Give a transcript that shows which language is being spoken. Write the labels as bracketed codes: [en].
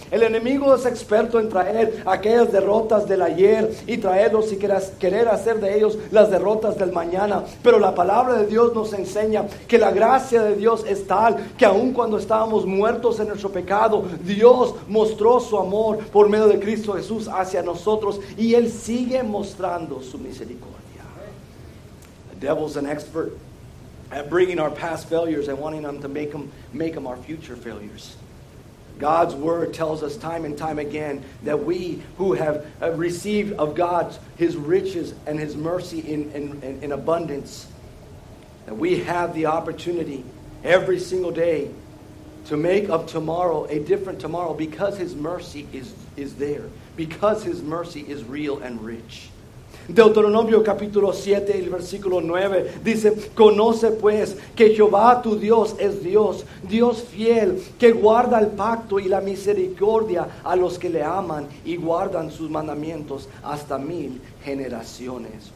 [es] El enemigo es experto en traer aquellas derrotas del ayer y traerlos y querer hacer de ellos las derrotas del mañana. Pero la palabra de Dios nos enseña que la gracia de Dios es tal que aun cuando estábamos muertos en nuestro pecado, Dios mostró su amor por medio de Cristo Jesús hacia nosotros, y Él sigue mostrando su misericordia. [en] Devil's an expert at bringing our past failures and wanting them to make them our future failures. God's word tells us time and time again that we who have received of God His riches and His mercy in abundance, that we have the opportunity every single day to make of tomorrow a different tomorrow, because His mercy is there, because His mercy is real and rich. [es] Deuteronomio capítulo 7, el versículo 9 dice: Conoce pues que Jehová tu Dios es Dios, Dios fiel, que guarda el pacto y la misericordia a los que le aman y guardan sus mandamientos hasta mil generaciones.